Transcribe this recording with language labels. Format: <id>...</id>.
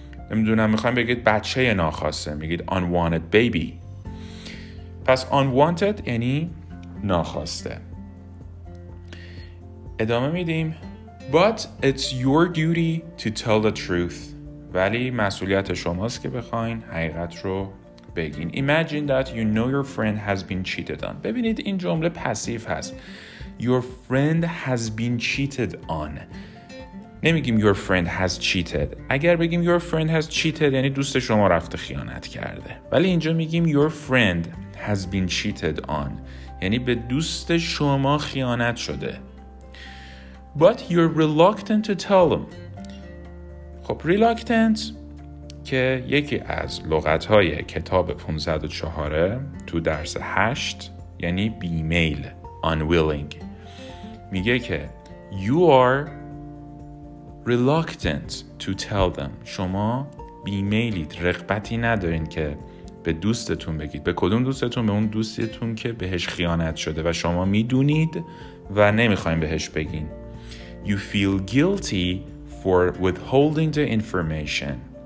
<fa>نمیدونم، میخوایم بگید بچه ناخواسته، میگید</fa> <en>unwanted baby.</en> <fa>پس unwanted یعنی ناخواسته. ادامه میدیم،</fa> <en>but it's your duty to tell the truth.</en> <fa>ولی مسئولیت شماست که بخواین حقیقت رو بگین.</fa> <en>Imagine that you know your friend has been cheated on.</en> <fa>ببینید این جمله پسیو هست.</fa> <en>Your friend has been cheated on.</en> <fa>نمیگیم</fa> <en>your friend has cheated.</en> <fa>اگر بگیم</fa> <en>your friend has cheated</en> <fa>یعنی دوست شما رفته خیانت کرده. ولی اینجا میگیم</fa> <en>your friend has been cheated on.</en> <fa>یعنی به دوست شما خیانت شده.</fa> <en>But you're reluctant to tell them.</en> <fa>خب reluctant که یکی از لغت‌های کتاب 504 تو درس 8 یعنی بی میل، unwilling. میگه که</fa> <en>you are reluctant to tell them.</en> <fa>شما بی میلید، رغبتی ندارین که به دوستتون بگید. به کدوم دوستتون؟ به اون دوستتون که بهش خیانت شده و شما میدونید و نمیخواییم بهش بگین.</fa> <en>You feel guilty for withholding the information.</en>